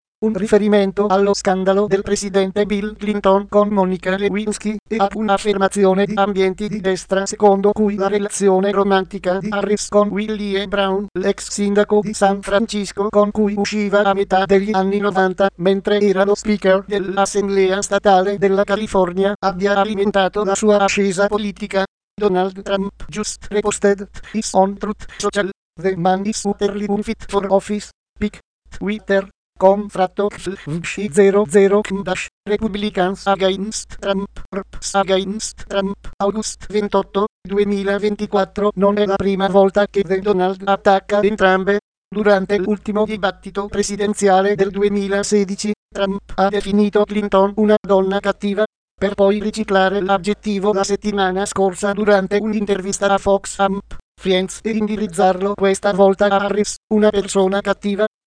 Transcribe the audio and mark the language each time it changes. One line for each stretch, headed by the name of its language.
Italian: Un riferimento allo scandalo del presidente Bill Clinton con Monica Lewinsky e ad un'affermazione di ambienti di destra secondo cui la relazione romantica di Harris con Willie Brown, l'ex sindaco di San Francisco con cui usciva a metà degli anni 90 mentre era lo speaker dell'Assemblea Statale della California, abbia alimentato la sua ascesa politica.
English: Donald Trump just reposted his own Truth Social. The man is utterly unfit for office. Pic. Twitter. Com/00-Republicans against Trump, Reps against Trump, August 28, 2024.
Italian: Non è la prima volta che The Donald attacca entrambe. Durante l'ultimo dibattito presidenziale del 2016, Trump ha definito Clinton una donna cattiva, per poi riciclare l'aggettivo la settimana scorsa durante un'intervista a Fox Amp, Friends e indirizzarlo questa volta a Harris, una persona cattiva.